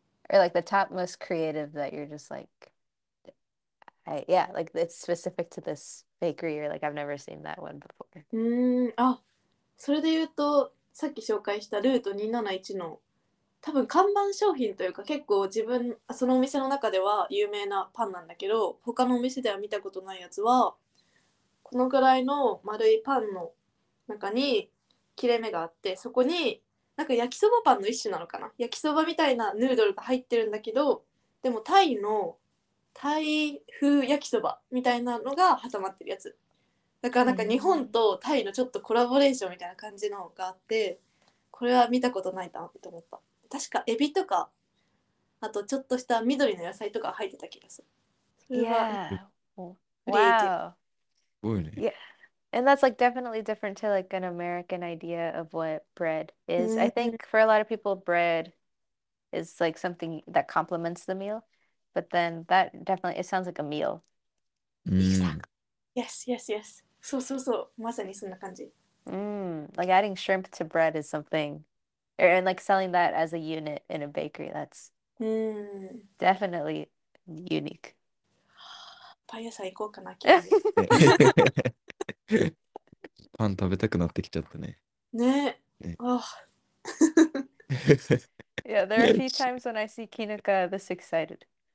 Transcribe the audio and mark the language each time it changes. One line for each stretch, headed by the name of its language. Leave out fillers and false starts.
English: Or like the top most creative that you're just like, I, yeah, like it's specific to this bakery, or like I've never seen that one before.
Japanese: Ah, それで言うと、さっき紹介したルート271の多分看板商品というか、結構自分そのお店の中では有名なパンなんだけど、他のお店では見たことないやつは、このくらいの丸いパンの中に切れ目があって、そこになんか焼きそばパンの一種なのかな、焼きそばみたいなヌードルが入ってるんだけど、でもタイのタイ風焼きそばみたいなのが挟まってるやつだから、なんか日本とタイのちょっとコラボレーションみたいな感じのがあって、これは見たことないなって思った。確かエビとか、あとちょっとした緑の野菜とか入ってた気がする。それは、
English: Yeah. Wow. Yeah. And that's like definitely different to like an American idea of what bread is. I think for a lot of people, bread is like something that complements the meal. But then that definitely, it sounds like a meal. Yes, yes, yes.
Japanese: そうそうそう。まさにそんな感じ。
English: Like adding shrimp to bread is something, and like selling that as a unit in a bakery, that's definitely unique.
Japanese: パン屋さん行こうかな、急に。パン食べたくなってきちゃったね。ね。ね。
English: Yeah, there are a few times when I see Kinuka this excited.